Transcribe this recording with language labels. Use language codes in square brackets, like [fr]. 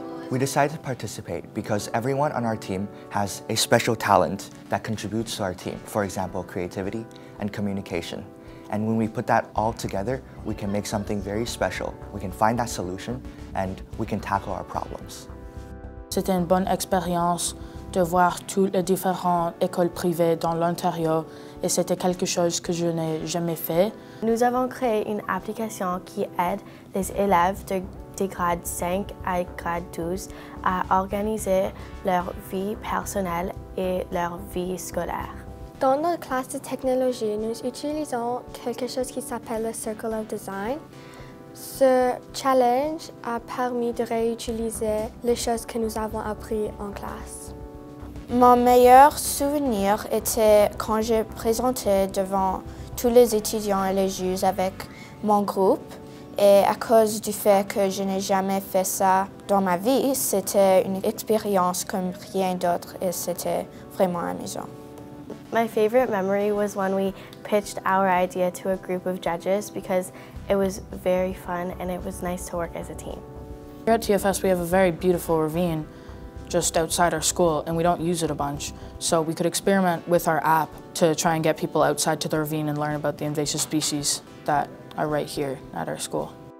[en] We decided to participate because everyone on our team has a special talent that contributes to our team. For example, creativity and communication. And when we put that all together, we can make something very special. We can find that solution and we can tackle our problems. [fr] C'était une bonne expérience de voir toutes les différentes écoles privées dans l'Ontario et c'était quelque chose que je n'ai jamais fait. Nous avons créé une application qui aide les élèves de grade 5 à grade 12 à organiser leur vie personnelle et leur vie scolaire. Dans notre classe de technologie, nous utilisons quelque chose qui s'appelle le Circle of Design. Ce challenge a permis de réutiliser les choses que nous avons apprises en classe. Mon meilleur souvenir était quand j'ai présenté devant tous les étudiants et les juges avec mon groupe. Et à cause du fait que je n'ai jamais fait ça dans ma vie, c'était une expérience comme rien d'autre et c'était vraiment amusant. [en] My favorite memory was when we pitched our idea to a group of judges because it was very fun and it was nice to work as a team. Here at TFS, we have a very beautiful ravine just outside our school and we don't use it a bunch. So we could experiment with our app to try and get people outside to the ravine and learn about the invasive species that are right here at our school.